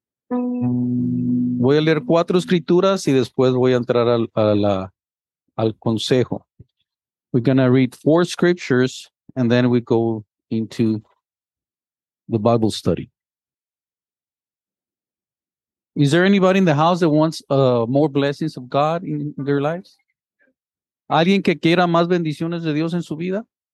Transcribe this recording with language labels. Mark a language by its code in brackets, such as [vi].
[es] Voy a leer cuatro escrituras y después voy a entrar al consejo. [en] We're going to read four scriptures and then we go into the Bible study. Is there anybody in the house that wants more blessings of God in their lives? [es] ¿Alguien que quiera más bendiciones de Dios en su vida?